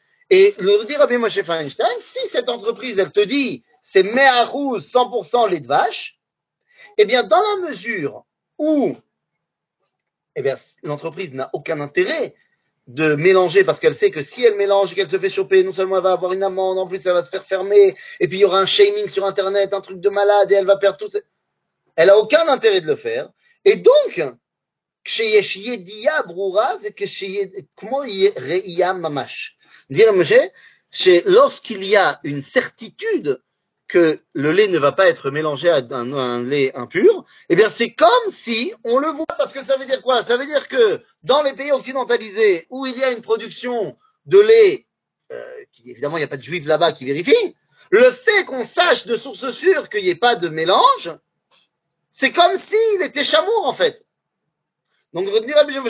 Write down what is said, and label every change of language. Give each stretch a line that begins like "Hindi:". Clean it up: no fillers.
French: Et le dit Rabbi Moshe Feinstein, si cette entreprise, elle te dit, c'est Meharouz 100% lait de vache, eh bien, dans la mesure où eh bien, l'entreprise n'a aucun intérêt de mélanger, parce qu'elle sait que si elle mélange et qu'elle se fait choper, non seulement elle va avoir une amende, en plus, elle va se faire fermer, et puis il y aura un shaming sur Internet, un truc de malade, et elle va perdre tout. Elle n'a aucun intérêt de le faire. Et donc,
Hebrew: כשיש ידיעה ברורה, זה כמו ראייה ממש.
French: Dire, monsieur, c'est lorsqu'il y a une certitude que le lait ne va pas être mélangé à un lait impur, eh bien, c'est comme si on le voit. Parce que ça veut dire quoi? Ça veut dire que dans les pays occidentalisés où il y a une production de lait, évidemment, il n'y a pas de juifs là-bas qui vérifient, le fait qu'on sache de source sûre qu'il n'y ait pas de mélange, c'est comme s'il était chameau, en fait. Donc, retenir à M.